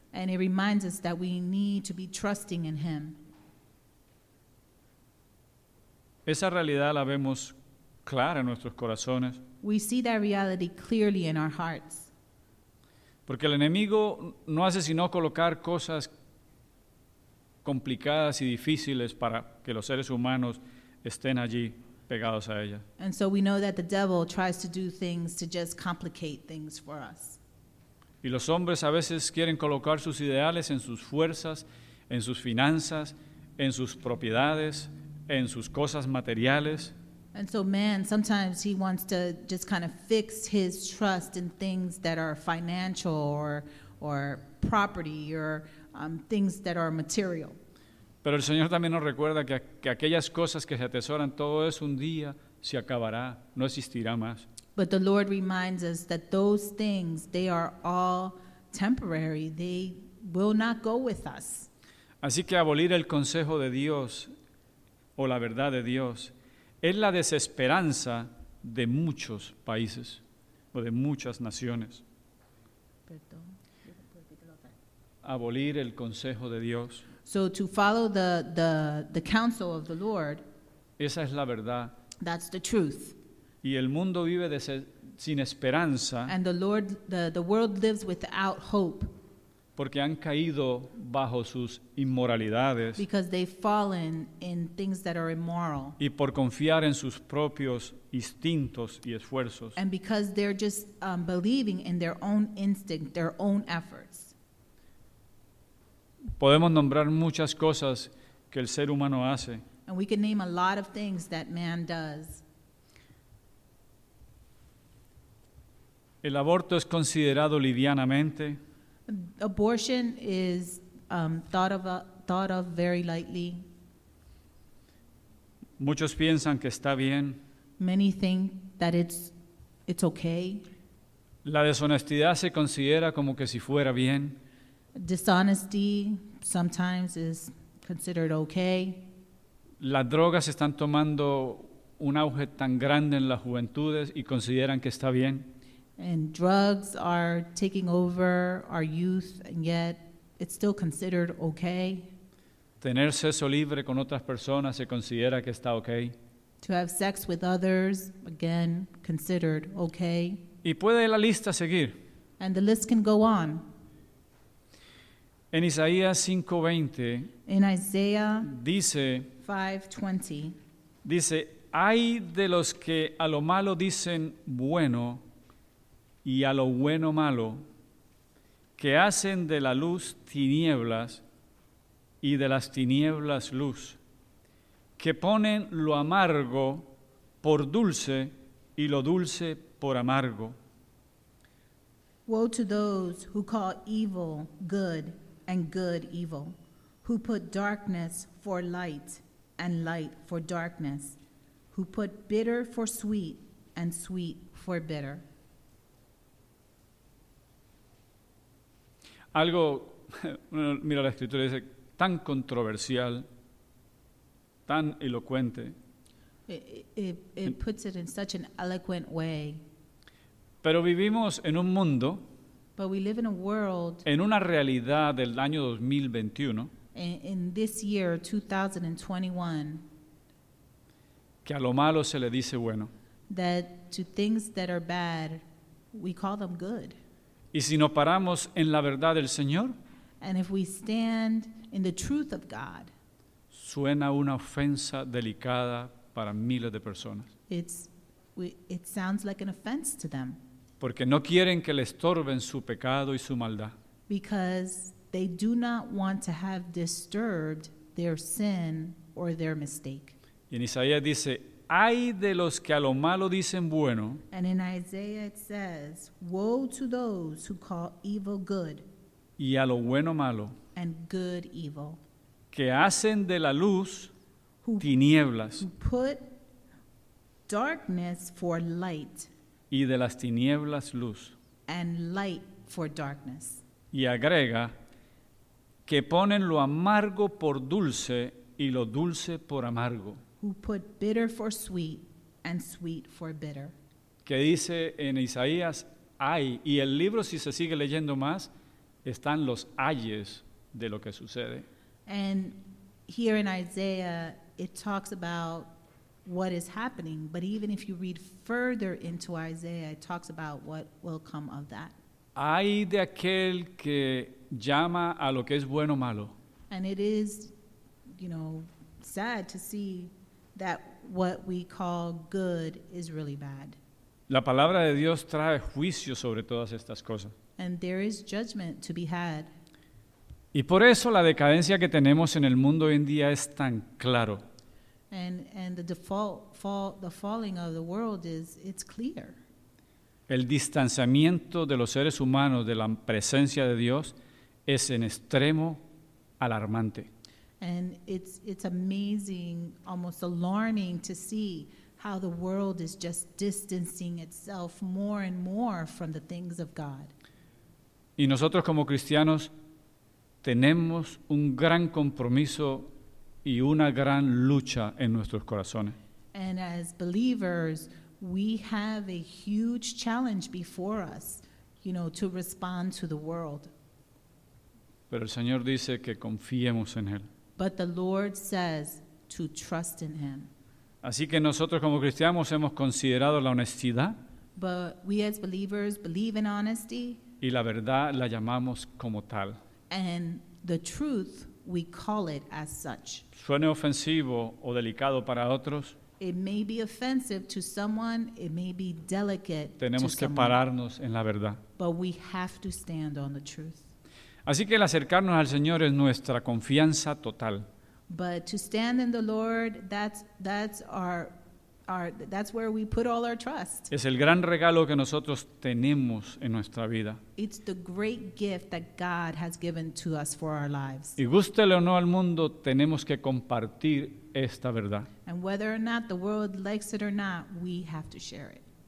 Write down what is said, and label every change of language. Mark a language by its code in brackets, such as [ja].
[en] And it reminds us that we need to be trusting in Him. [es] Esa realidad la vemos clara en nuestros corazones. [en] We see that reality clearly in our hearts. [es] Porque el enemigo no hace sino colocar cosas complicadas y difíciles para que los seres humanos estén allí pegados a ella. [en] And so we know that the devil tries to do things to just complicate things for us. [es] Y los hombres a veces quieren colocar sus ideales en sus fuerzas, en sus finanzas, en sus propiedades, en sus cosas materiales. [en] And so man, sometimes he wants to just kind of fix his trust in things that are financial or property or things that are material. [es] Pero el Señor también nos recuerda que aquellas cosas que se atesoran, todo eso un día se acabará, no existirá más. [en] But the Lord reminds us that those things, they are all temporary. They will not go with us. [es] Así que abolir el consejo de Dios o la verdad de Dios es la desesperanza de muchos países o de muchas naciones. Abolir el consejo de Dios. [en] So to follow the counsel of the Lord, [es] esa es la verdad. [en] That's the truth. [es] Y el mundo vive sin esperanza. [en] And the world lives without hope. [es] Porque han caído bajo sus inmoralidades. [en] Because they've fallen in things that are immoral. [es] Y por confiar en sus propios instintos y esfuerzos. [en] And because they're just believing in their own instinct, their own efforts. [es] Podemos nombrar muchas cosas que el ser humano hace. [en] And we can name a lot of things that man does. [es] El aborto es considerado livianamente. [en] Abortion is thought of very lightly. [es] Muchos piensan que está bien. [en] Many think that it's it's okay. [es] La deshonestidad se considera como que si fuera bien. [en] Dishonesty sometimes is considered okay. [es] Las drogas están tomando un auge tan grande en las juventudes y consideran que está bien. [en] And drugs are taking over our youth, and yet it's still considered okay. [es] Tener sexo libre con otras personas se considera que está okay. [en] To have sex with others, again, considered okay. [es] Y puede la lista seguir. [en] And the list can go on. [es] En Isaías 5:20, [en] in Isaiah [es] dice, [en] 5:20, [es] dice, ay de los que a lo malo dicen bueno y a lo bueno malo, que hacen de la luz tinieblas y de las tinieblas luz, que ponen lo amargo por dulce y lo dulce por amargo. [en] Woe to those who call evil good and good evil, who put darkness for light and light for darkness, who put bitter for sweet and sweet for bitter. [es] Algo, mira la escritura, dice, tan controversial, tan elocuente. [en] It puts it in such an eloquent way. [es] Pero vivimos en un mundo, [en] but we live in a world, [es] en una realidad del año 2021, [en] in this year, 2021, [es] que a lo malo se le dice bueno. [en] That to things that are bad, we call them good. [es] Y si nos paramos en la verdad del Señor, [en] and if we stand in the truth of God, [es] suena una ofensa delicada para miles de personas. [en] It sounds like an offense to them. [es] Porque no quieren que le estorben su pecado y su maldad. [en] Because they do not want to have disturbed their sin or their mistake. [es] Y en Isaías dice, ay de los que a lo malo dicen bueno. [en] And in Isaiah it says, woe to those who call evil good. [es] Y a lo bueno malo. [en] And good evil. [es] Que hacen de la luz tinieblas. [en] Who put darkness for light. [es] Y de las tinieblas luz. [en] And light for darkness. [es] Y agrega, que ponen lo amargo por dulce y lo dulce por amargo. [en] Who put bitter for sweet and sweet for bitter. [es] Que dice en Isaías, ay. Y el libro, si se sigue leyendo más, están los ayes de lo que sucede. [en] And here in Isaiah, it talks about what is happening. But even if you read further into Isaiah, it talks about what will come of that. [es] Ay de aquel que llama a lo que es bueno malo. [en] And it is, you know, sad to see that what we call good is really bad. [es] La palabra de Dios trae juicio sobre todas estas cosas. [en] And there is judgment to be had. [es] Y por eso la decadencia que tenemos en el mundo hoy en día es tan claro. [en] And the default the falling of the world is, it's clear. [es] El distanciamiento de los seres humanos de la presencia de Dios es en extremo alarmante. [en] And it's amazing, almost alarming, to see how the world is just distancing itself more and more from the things of God. [es] Y nosotros como cristianos tenemos un gran compromiso y una gran lucha en nuestros corazones. [en] And as believers, we have a huge challenge before us, you know, to respond to the world. [es] Pero el Señor dice que confiemos en Él. [en] But the Lord says to trust in Him. [es] Así que nosotros como cristianos hemos considerado la honestidad. [en] But we as believers believe in honesty. [es] Y la verdad la llamamos como tal. [en] And the truth, we call it as such. [es] Suene ofensivo o delicado para otros. [en] It may be offensive to someone. It may be delicate to someone. [es] Tenemos que pararnos en la verdad. [en] But we have to stand on the truth. [es] Así que el acercarnos al Señor es nuestra confianza total. [en] But to stand in the Lord, that's where we put all our trust. [es] Es el gran regalo que nosotros tenemos en nuestra vida. [en] It's the great gift that God has given to us for our lives. [es] Y gústele o no al mundo, tenemos que compartir esta verdad. [en] And whether or not the world likes it or not, we have to share it.